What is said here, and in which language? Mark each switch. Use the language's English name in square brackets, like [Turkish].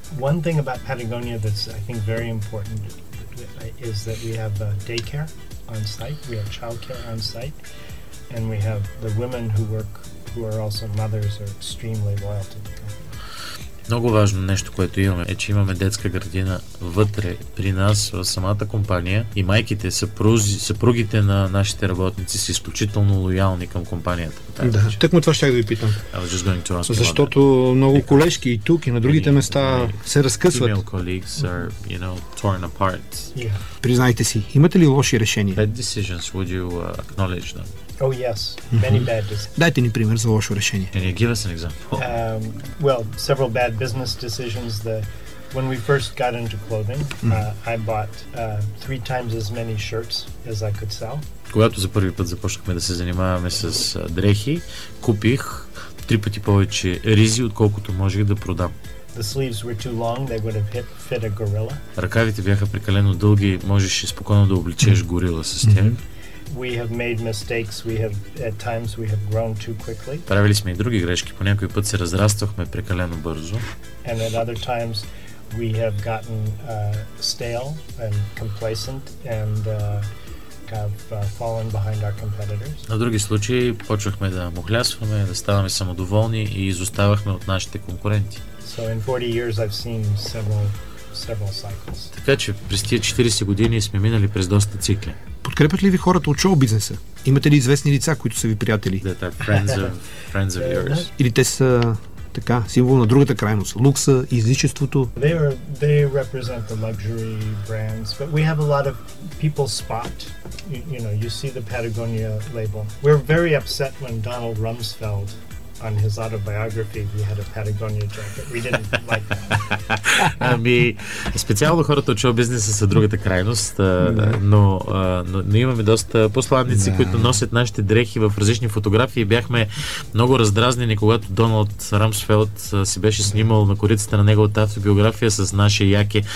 [English] One thing about Patagonia that's I think very important is that we have daycare on site, we have childcare on site, and we have the women who work who are also mothers are extremely loyal to the company. [Bulgarian] Много важно нещо, което имаме, е, че имаме детска градина вътре при нас, в самата компания, и майките, съпругите на нашите работници са изключително лоялни към компанията. Да, тъкмо това щях да ви питам. Защото много колежки и тук, и на другите места се разкъсват. [English] Female colleagues are, you know, torn apart. Yeah. [Bulgarian] Признайте си, имате ли лоши решения? [English] Bad decisions, would you acknowledge them? Oh yes, many bad decisions. [Bulgarian] Дайте ни пример за лошо решение. [English] Can you give us an example? Well, several bad business decisions. When we first got into clothing, I bought 3 times as many shirts as I could sell. [Bulgarian] Когато за първи път започнахме да се занимаваме с дрехи, купих 3 пъти повече ризи, отколкото можех да продам. [English] The sleeves were too long, they would have fit a gorilla. [Bulgarian] Ръкавите бяха прекалено дълги, можеш спокойно да обличеш горила с тях. [English] We have made mistakes, at times we have grown too quickly. [Bulgarian] Правили сме и други грешки, по някой път се разраствахме прекалено бързо. [English] And at other times we have gotten stale and complacent and have fallen behind our competitors. [Bulgarian] На други случаи почвахме да мухлясваме, да ставаме самодоволни и изоставахме от нашите конкуренти. [English] So in 40 years I've seen several cycles. [Bulgarian] Така че през тия 40 години сме минали през доста цикли. Подкрепят ли ви хората от шоу бизнеса? Имате ли известни лица, които са ви приятели? [English] That are friends of yours. [Bulgarian] Или те са така, символ на другата крайност, лукса, изличеството. [English] They represent the luxury brands, but we have a lot of people spot, you know, you see the Patagonia label. We're very upset when Donald Rumsfeld on his autobiography he had a Patagonia jacket. We didn't like that. [Bulgarian] Ами, специално хората от шоу бизнеса са другата крайност, но имаме доста посланници, които носят нашите дрехи в различни фотографии. Бяхме много раздразнени, когато Доналд Рамсфелд си беше снимал на корицата на неговата автобиография с наше яке.